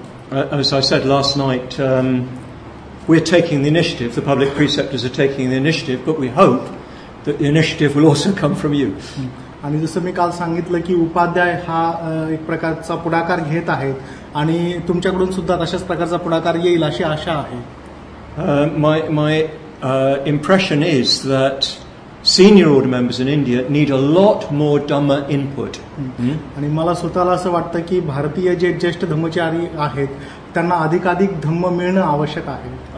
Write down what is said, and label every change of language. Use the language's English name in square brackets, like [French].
[English] As I said last night, we're taking the initiative, the public preceptors are taking the initiative, but we hope that the initiative will also come from you. [Marathi] आणि जसं मी काल सांगितलं की उपाध्याय हा एक प्रकारचा पुढाकार घेत आहेत आणि तुमच्याकडून सुद्धा तशाच प्रकारचा पुढाकार येईल अशी आशा आहे. [English] My impression is that senior order members in India need a lot more Dhamma input. [Marathi] आणि मला स्वतःला असं वाटतं की भारतीय जे ज्येष्ठ धम्मचारी आहेत त्यांना अधिकाधिक धम्म मिळणं आवश्यक आहे.